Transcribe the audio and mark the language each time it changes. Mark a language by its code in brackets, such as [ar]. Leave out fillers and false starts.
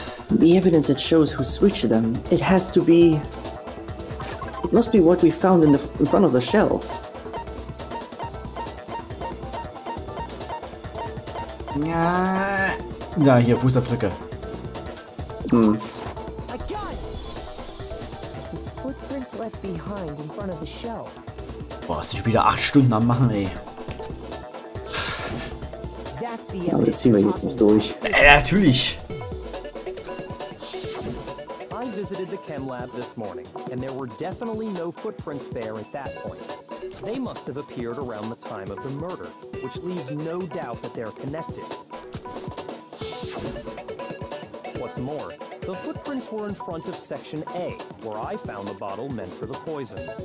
[en] The evidence that shows who switched them, it has to be... it must be what we found in front of the shelf. [de] Na, hier, Fußabdrücke. Hm. [en] A gun! The footprints left behind in front of the shelf. [de] Boah, ist schon wieder 8 Stunden am Machen, ey. Ja, aber das ziehen wir jetzt nicht durch. Natürlich! [en] I visited the chem lab this morning, and there were definitely no footprints there at that point. They must have appeared around the time of the murder, which leaves no doubt that they're connected. What's more, the footprints were in front of Section A, where I found the bottle meant for the poison.